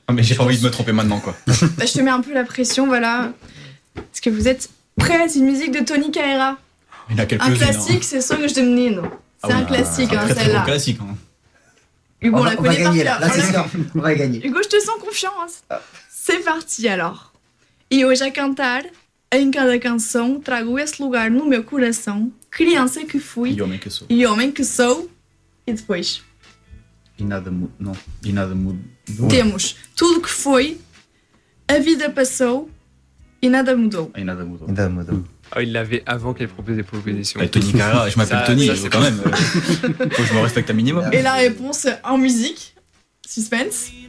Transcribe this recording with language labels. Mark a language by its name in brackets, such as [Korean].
[French] Ah, mais j'ai pas envie de me tromper maintenant, quoi. Bah, je te mets un peu la pression, voilà. Est-ce que vous êtes prêts? C'est une musique de Tony Carreira. Il y a un classique, c'est Song de Menino. C'est un classique, celle-là. C'est un classique. Hein. Hugo, on la connaît par cœur. Là, c'est ça. On va gagner. Hugo, je te sens confiant. C'est parti, alors. [Portuguese] E hoje a cantar, em cada canção, trago esse lugar no meu coração, criança que fui, e homem que sou, e depois. E nada muda. Não, e nada muda. Temos tudo que foi, a vida passou, e nada mudou. E nada mudou. E nada mudou. [French] Oh, il l'avait avant qu'elle propose des propositions. Bah, Tony Carreira, je m'appelle ça, Tony, ça, quand même. Faut que je me respecte un minimum. Et la réponse en musique, suspense.